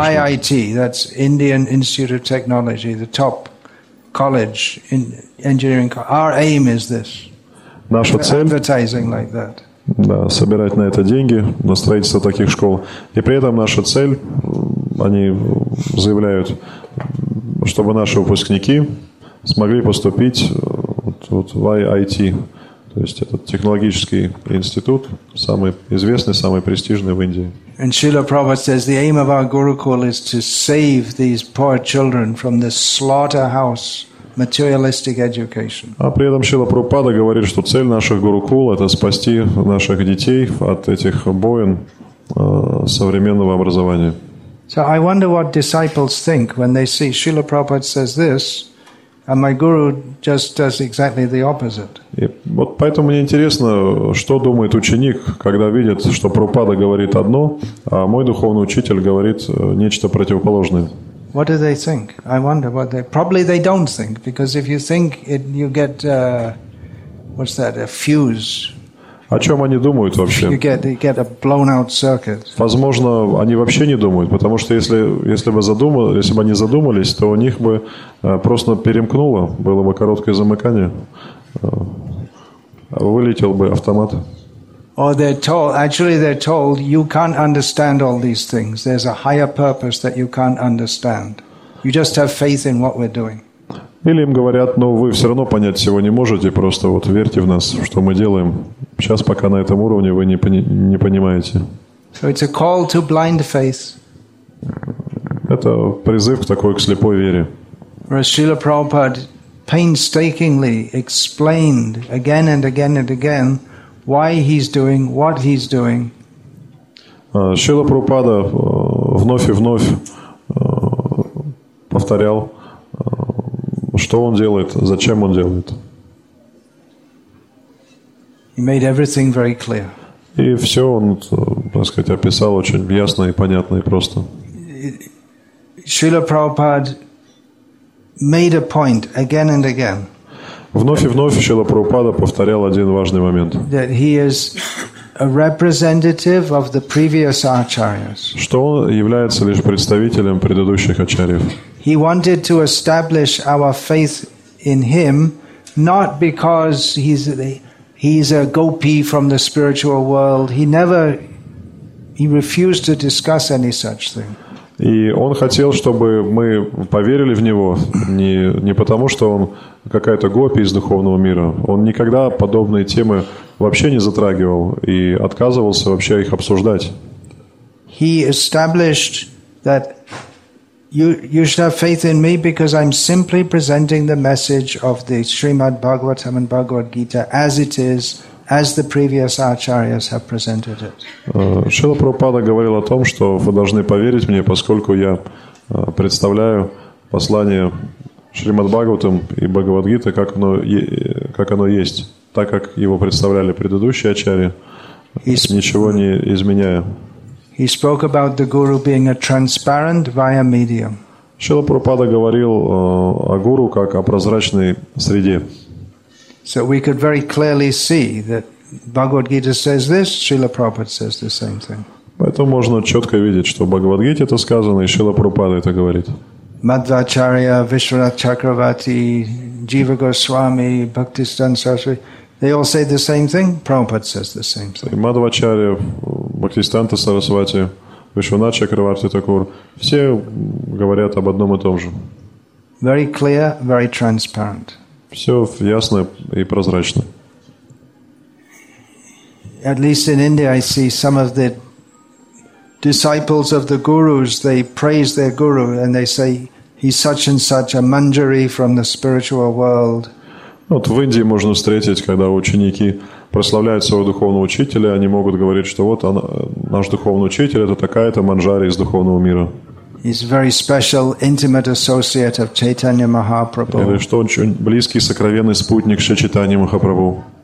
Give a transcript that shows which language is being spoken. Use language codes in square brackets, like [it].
[en] IIT, that's Indian Institute of Technology, the top college in engineering. Our aim is this. [ru] Наша цель [en] advertising like that. [ru] Да, собирать на это деньги, на строительство таких школ. И при этом наша цель, они заявляют, чтобы наши выпускники смогли поступить в IIT, то есть этот технологический институт, самый известный, самый престижный в Индии. [en] And Srila Prabhupada says, the aim of our Gurukul is to save these poor children from the slaughterhouse materialistic education. [ru] А при этом Шрила Прабхупада говорит, что цель наших гурукул это спасти наших детей от этих бойн современного образования. [en] So I wonder what disciples think when they see Srila Prabhupada says this and my guru just does exactly the opposite. [ru] И вот поэтому мне интересно, что думает ученик, когда видит, что Прабхупада говорит одно, а мой духовный учитель говорит нечто противоположное. [en] What do they think? I wonder what they... Probably they don't think, because if you think, it, you get... what's that? A fuse. [ru] О чем они думают вообще? [en] You get a blown out circuit. [ru] Возможно, они вообще не думают, потому что если бы они задумались, то у них бы просто перемкнуло, было бы короткое замыкание, вылетел бы автомат. [en] Or they're told, actually they're told, you can't understand all these things. There's a higher purpose that you can't understand. You just have faith in what we're doing. [ru] Или им говорят, но вы все равно понять всего не можете, просто вот верьте в нас, что мы делаем. Сейчас пока на этом уровне вы не понимаете. [en] So it's a call to blind faith. [ru] Это призыв к такой, к слепой вере. [en] Srila Prabhupada painstakingly explained again and again and again why he's doing what he's doing. [ru] Шрила Прабхупада вновь и вновь повторял, что он делает, зачем он делает. [en] He made everything very clear. [ru] И все он, так сказать, описал очень ясно и понятно и просто. [en] Шрила Прабхупада made a point again and again. [ru] Вновь и вновь Шрила Прабхупада повторял один важный момент. [en] That he is a representative of the previous acharyas. [ru] Что он является лишь представителем предыдущих ачарьев. [en] He wanted to establish our faith in him, not because he's a gopi from the spiritual world. He refused to discuss any such thing. [ru] И он хотел, чтобы мы поверили в него, не потому, что он какая-то гопи из духовного мира. Он никогда подобные темы вообще не затрагивал и отказывался вообще их обсуждать. [en] He established that you should have faith in me because I'm simply presenting the message of the Srimad Bhagavatam and Bhagavad Gita as it is, as the previous acharyas have presented it. [ru] Шрила Прабхупада говорил о том, что вы должны поверить мне, поскольку я представляю послание Шримад Бхагаватам и Бхагавад Гита, как оно есть, так как его представляли предыдущие ачарьи, ничего не изменяя. [en] He spoke about the guru being a transparent via medium. [ru] Шрила Прабхупада говорил о гуру как о прозрачной среде. [en] So we could very clearly see that Bhagavad Gita says this, Srila Prabhupada says the same thing. [ru] Поэтому можно четко видеть, что в Бхагавад Гите это сказано, и Шрила Прабхупада это говорит. [en] Мадхвачарья, Вишванатха Чакравати, Джива Госвами, Бхактисиддханта Сарасвати, they all say the same thing, Prabhupada says the same thing. [ru] Мадхвачарья, Бхактисиддханта Сарасвати, Вишванатха Чакравати Такур, все говорят об одном и том же. [en] Very clear, very transparent. [ru] Все ясно и прозрачно. [en] At least in India, I see some of the disciples of the gurus. They praise their guru and they say he's such and such a manjari from the spiritual world. [ru] Вот в Индии можно встретить, когда ученики прославляют своего духовного учителя, они могут говорить, что вот он, наш духовный учитель – это такая-то Манджари из духовного мира. [en] He's a very special, intimate associate of Chaitanya Mahaprabhu. [ru] Или что он очень близкий, сокровенный спутник Шри Чайтаньи Махапрабху.